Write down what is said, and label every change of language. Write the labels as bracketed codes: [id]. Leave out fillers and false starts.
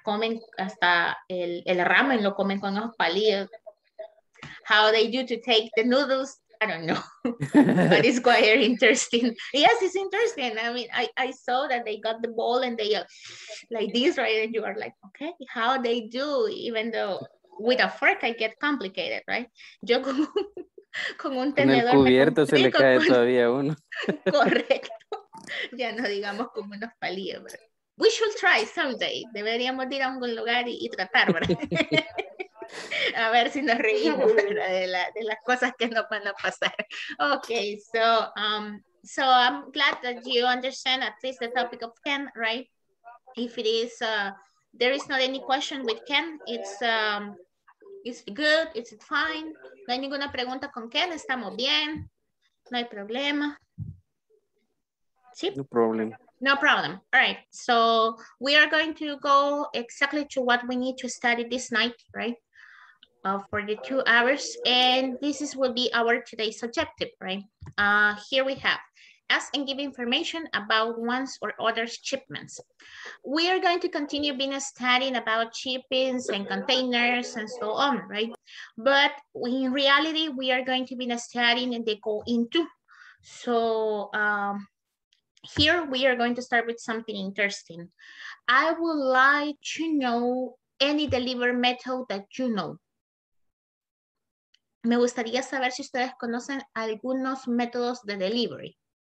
[es] Comen hasta el ramen, lo comen con los palillos. [en] How they do to take the noodles, I don't know. But it's quite interesting. Yes, it's interesting. I mean, I saw that they got the bowl and they like this, right? And you are like, okay, how they do, even though with a fork I get complicated, right? [es] Yo con un tenedor. Con el cubierto se le cae todavía uno. Correcto. Ya no digamos con unos palillos, ¿verdad? [en] We should try someday. [es] Deberíamos ir a algún lugar y tratar, ¿verdad? A ver si nos reímos de las cosas que nos van a pasar. [en] Okay, so I'm glad that you understand at least the topic of Ken, right? If it is, there is not any question with Ken, it's good, it's fine. [es] No hay ninguna pregunta con Ken, estamos bien. No hay problema. [en] ¿Sí? No problem. No problem. All right. So we are going to go exactly to what we need to study this night, right? For the 2 hours, and this is will be our today's objective, right? Here we have ask and give information about one's or other's shipments. We are going to continue being studying about shippings and containers and so on, right? But in reality, we are going to be studying and they go into. So here we are going to start with something interesting. I would like to know any delivery method that you know. [es] Me gustaría saber si ustedes conocen algunos métodos de delivery.